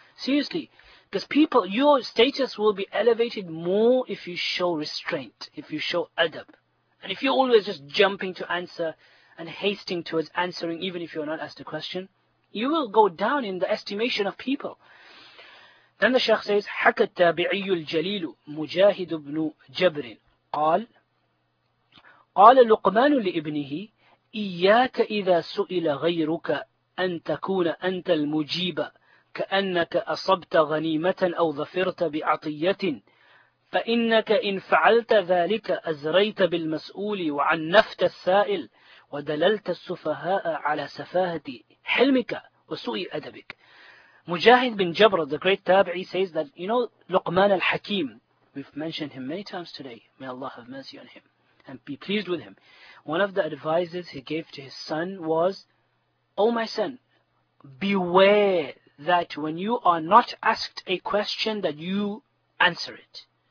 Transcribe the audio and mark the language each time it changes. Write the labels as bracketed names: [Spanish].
[English] Seriously, because people, your status will be elevated more if you show restraint, if you show adab. And if you're always just jumping to answer and hasting towards answering, even if you're not asked a question, you will go down in the estimation of people. Then the Shaykh says, [Arabic] حَكَ التَّابِعِيُّ الْجَلِيلُ مُجَاهِدُ بْنُ جَبْرٍ قَالَ لُقْمَانُ لِإِبْنِهِ إِيَّاكَ إِذَا سُئِلَ غَيْرُكَ أَن تَكُونَ أَنْتَ الْمُجِيبَ كَأَنَّكَ أَصَبْتَ غَنِيمَةً أَوْ ظَفِرْتَ بِعَطِيَّةٍ فَإِنَّكَ إِنْ فَعَلْتَ ذَلِكَ أَزْرَيْتَ بِالْمَسْؤُولِ وَعَنَّفْتَ السَّائِلَ وَدَلَلْتَ السُّفَهَاءَ عَلَى سَفَاهَةِ حِلْمِكَ وَسُوءِ أَدَبِكَ. [English] Mujahid bin Jabr, the great Tabi'i, says that, you know, Luqman al-Hakim, We've mentioned him many times today. May Allah have mercy on him and be pleased with him. One of the advices he gave to his son was, "Oh my son, beware that when you are not asked a question that you answer it.